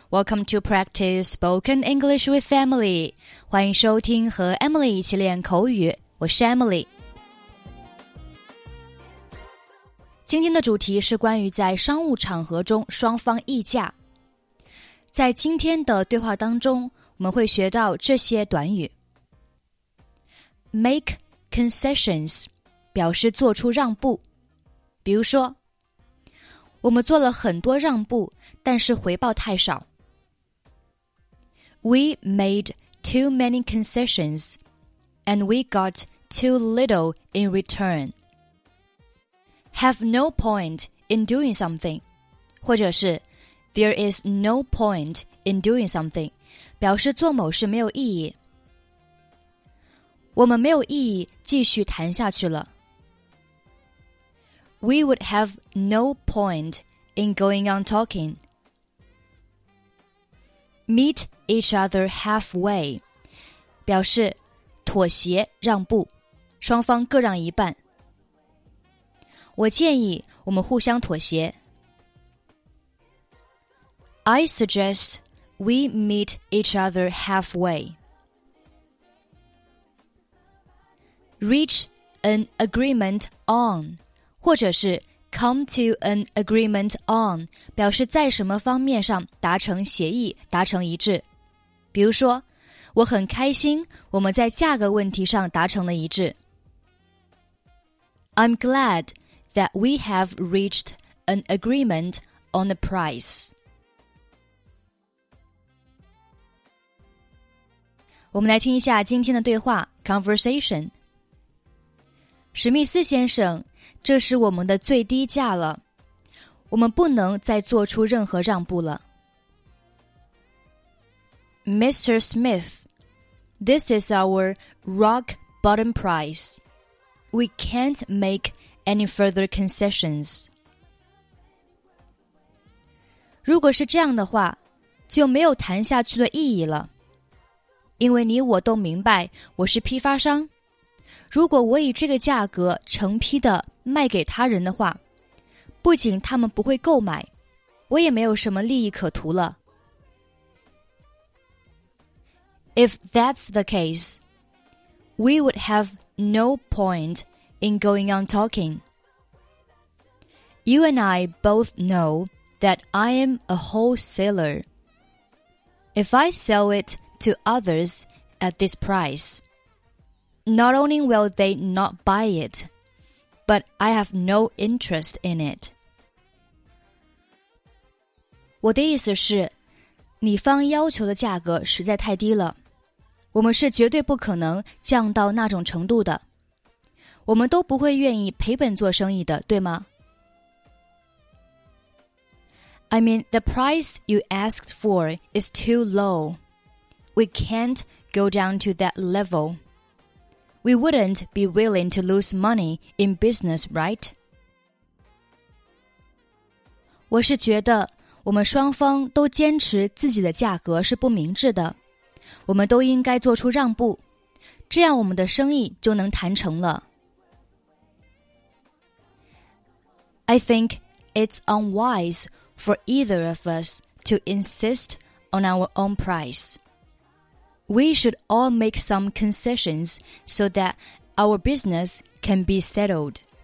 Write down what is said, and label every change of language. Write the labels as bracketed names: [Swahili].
[English] Welcome to Practice Spoken English with Emily. [Chinese] 欢迎收听和 Emily 一起练口语。我是 Emily。今天的主题是关于在商务场合中双方议价。在今天的对话当中，我们会学到这些短语。 [English] Make concessions [Chinese] 表示做出让步。比如说，我们做了很多让步，但是回报太少。 [English] We made too many concessions, and we got too little in return. Have no point in doing something, [Chinese] 或者是 [English] There is no point in doing something, [Chinese] 表示做某事没有意义。我们没有意义继续谈下去了。 [English] We would have no point in going on talking. Meet each other halfway. [Chinese] 表示妥协让步，双方各让一半。我建议我们互相妥协。 [English] I suggest we meet each other halfway. Reach an agreement on. [Chinese] 或者是 [English] come to an agreement on, [Chinese] 表示在什么方面上达成协议，达成一致。比如说，我很开心我们在价格问题上达成了一致。 [English] I'm glad that we have reached an agreement on the price. [Chinese] 我们来听一下今天的对话 conversation。史密斯先生，这是我们的最低价了，我们不能再做出任何让步了。 [English] Mr. Smith, this is our rock bottom price. We can't make any further concessions. [Chinese] 如果是这样的话，就没有谈下去的意义了，因为你我都明白我是批发商。如果我以这个价格成批的卖给他人的话，不仅他们不会购买，我也没有什么利益可图了。 [English] If that's the case, we would have no point in going on talking. You and I both know that I am a wholesaler. If I sell it to others at this price,Not only will they not buy it, but I have no interest in it. [Chinese] 我的意思是，你方要求的价格实在太低了，我们是绝对不可能降到那种程度的。我们都不会愿意赔本做生意的，对吗？ [English] I mean, the price you asked for is too low. We can't go down to that level. We wouldn't be willing to lose money in business, right? [Chinese] 我是觉得我们双方都坚持自己的价格是不明智的，我们都应该做出让步，这样我们的生意就能谈成了。 [English] I think it's unwise for either of us to insist on our own price. We should all make some concessions so that our business can be settled.